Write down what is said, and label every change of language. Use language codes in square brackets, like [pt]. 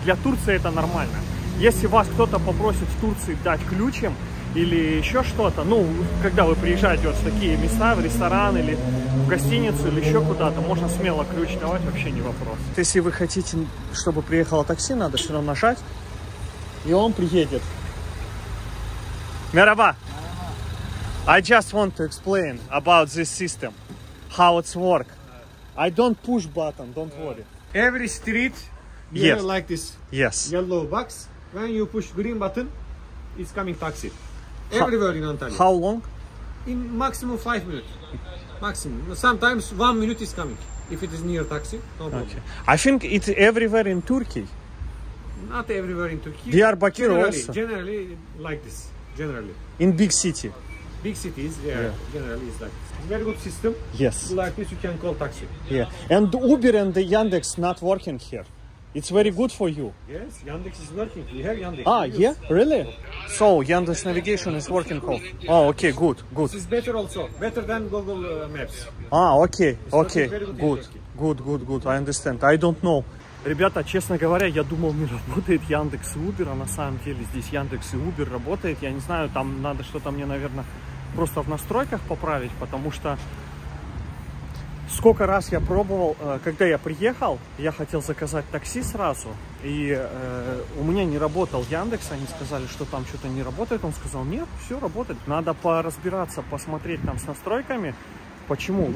[ru] Для Турции это нормально. Если вас кто-то попросит в Турции дать ключем или еще что-то, ну, когда вы приезжаете вот в такие места, в ресторан или в гостиницу, или еще куда-то, можно смело ключ давать, вообще не вопрос. Если вы хотите, чтобы приехало такси, надо все равно нажать, и он приедет. [tr] Мераба! [en] I just want to explain about this system, how it's work. I don't push button, don't worry. Every street, yes, like this. Yes. Yellow box, when you push green button, it's coming taxi. Everywhere in Antalya. How long? In maximum 5 minutes. Maximum. Sometimes 1 minute is coming. If it is near taxi, no problem. Okay. I think it's everywhere in Turkey. Not everywhere in Turkey. Diyarbakir generally, also. Generally like this. Generally. In big city. Big cities, yeah. Generally is like this. Very good system. Yes. Like this you can call taxi. Yeah. And Uber and the Yandex not working here. It's very good for you. Yes, Yandex is working. We have Yandex. Ah, yeah? Really? So, Yandex navigation is working well. Oh, okay, good, good. This is better also. Better than Google Maps. Ah, okay, it's okay, good. Good, good, good, good. I understand. I don't know. [ru] Ребята, честно говоря, я думал, не работает Яндекс и Убер, а на самом деле здесь Яндекс и Убер работает. Я не знаю, там надо что-то мне, наверное, просто в настройках поправить, потому что... Сколько раз я пробовал, когда я приехал, я хотел заказать такси сразу, и у меня не работал Яндекс, они сказали, что там что-то не работает, он сказал: «Нет, все работает, надо поразбираться, посмотреть там с настройками, почему».